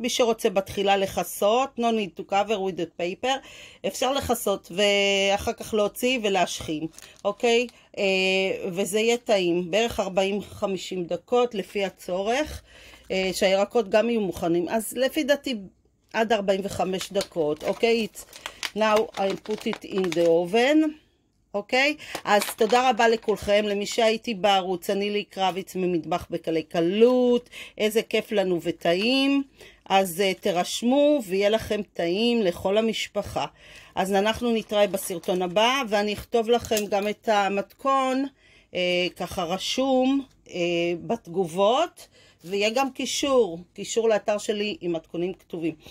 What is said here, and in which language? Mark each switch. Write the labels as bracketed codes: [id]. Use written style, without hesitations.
[he] מי שרוצה בתחילה לחסות, [en] no need to cover with the paper, [he] אפשר לחסות ואחר כך להוציא ולהשכים, אוקיי? וזה יהיה טעים, בערך 40-50 דקות לפי הצורך. שהירקות גם יהיו מוכנים, אז לפי דעתי עד 45 דקות, אוקיי? [en] Now I put it in the oven, אוקיי? [he] אז תודה רבה לכולכם, למי שהייתי בערוץ, אני לי קרביץ ממטבח בקלי קלות, איזה כיף לנו וטעים, אז תרשמו ויהיה לכם טעים לכל המשפחה. אז אנחנו נתראה בסרטון הבא, ואני אכתוב לכם גם את המתכון, ככה רשום, בתגובות, ויהיה גם קישור לאתר שלי עם מתכונים כתובים.